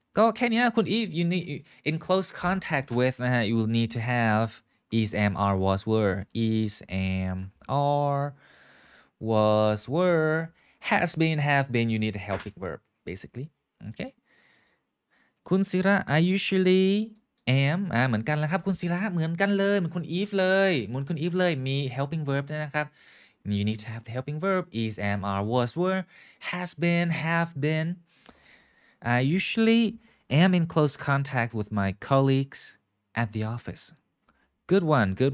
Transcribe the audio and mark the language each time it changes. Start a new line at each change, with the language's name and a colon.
English: Go, Kenya, Kun Eve, you need, in close contact with, you will need to have is, am, are, was, were. Is, am, are, was, were. Has been, have been, you need a helping verb, basically. Okay. Kun Sira, I usually am.
Thai: เหมือนกันนะครับ Kun Sira, เหมือนกันเลย เหมือนคุณ Eve เลย เหมือนคุณ Eve เลย มี helping verb ด้วยนะครับ
English: You need to have the helping verb is, am, are, was, were, has been, have been. I usually am in close contact with my colleagues at the office. Good one.